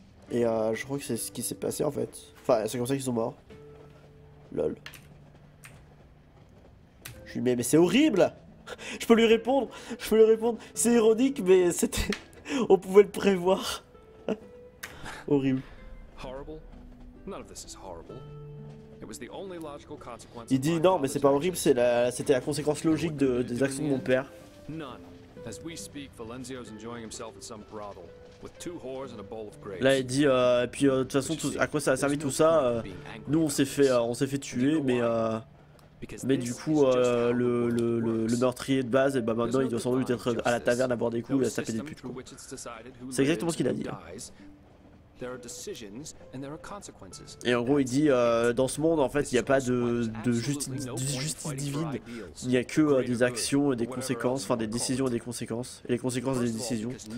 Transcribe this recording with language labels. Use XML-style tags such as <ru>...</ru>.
<fr>Et je crois que c'est ce qui s'est passé, en fait. Enfin, c'est comme ça qu'ils sont morts. Lol. Je lui mets, mais c'est horrible. Je peux lui répondre. C'est ironique, mais c'était... On pouvait le prévoir. Horrible. Horrible.</fr> <en>None of this is horrible. It was the only logical consequence.</en> <fr>Il dit non, mais c'est pas horrible, c'était la conséquence logique des actions de mon père.</fr> <en>None. As we speak, Valenzio's enjoying himself in some brothel with two whores and a bowl of grapes.</en> <fr>Là, il dit et puis de toute façon, à quoi ça a servi tout ça? Nous, on s'est fait tuer, mais du coup, le meurtrier de base, et bah maintenant, il doit sans doute être à la taverne à boire des coups et à taper des putes. C'est exactement ce qu'il a dit.</fr> <en>There are decisions and there are consequences.</en> <fr>Et en gros, il dit dans ce monde, en fait, il n'y a pas de justice divine. Il n'y a que des actions et des conséquences, enfin des décisions et des conséquences, et les conséquences des décisions.</fr>